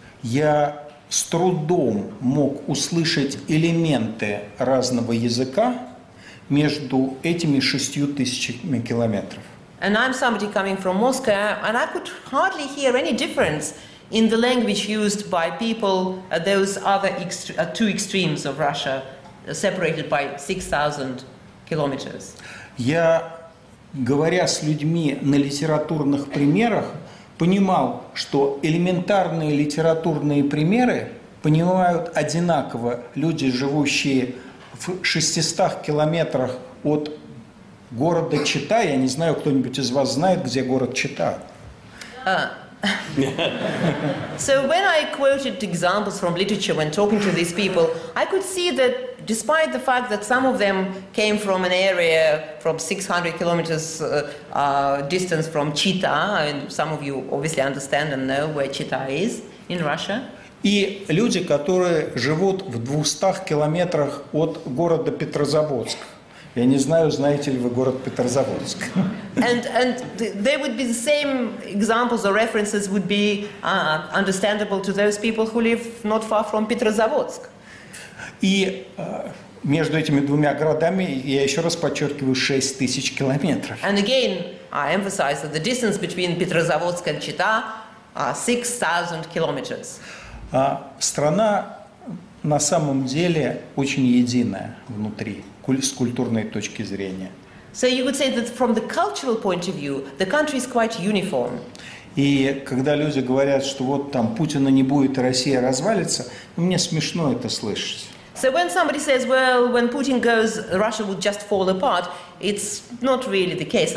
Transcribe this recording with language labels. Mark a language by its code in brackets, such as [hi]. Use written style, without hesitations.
[ru] Я с трудом мог услышать элементы разного языка между этими 6000 километров. [en] And I'm somebody coming from Moscow, and I could hardly hear any difference in the language used by people at those other two extremes of Russia, separated by 6,000 kilometers. [ru] Я, говоря с людьми на литературных примерах, понимал, что элементарные литературные примеры понимают одинаково люди, живущие в 600 километрах от города Чита. Я не знаю, кто-нибудь из вас знает, где город Чита. [en] So when I quoted examples from literature when talking to these people, I could see that despite the fact that some of them came from an area from 600 kilometers distance from Chita, and some of you obviously understand and know where Chita is in Russia. [ru] И люди, которые живут в 200 километрах от города Петрозаводск. Я не знаю, знаете ли вы город Петрозаводск. [en] And there would be the same examples or references would be understandable to those people who live not far from Petrozavodsk. [ru] И между этими двумя городами, я еще раз подчеркиваю, 6000 километров. [en] And again, I emphasize that the distance between Petrozavodsk and Chita are 6000 kilometers. [ru] Страна на самом деле очень единая внутри. С культурной точки зрения. [en] So you would say that from the cultural point of view, the country is quite uniform. [ru] И когда люди говорят, что вот там Путина не будет, Россия развалится, мне смешно это слышать. [en] So when somebody says, well, when Putin goes, Russia would just fall apart, it's not really the case.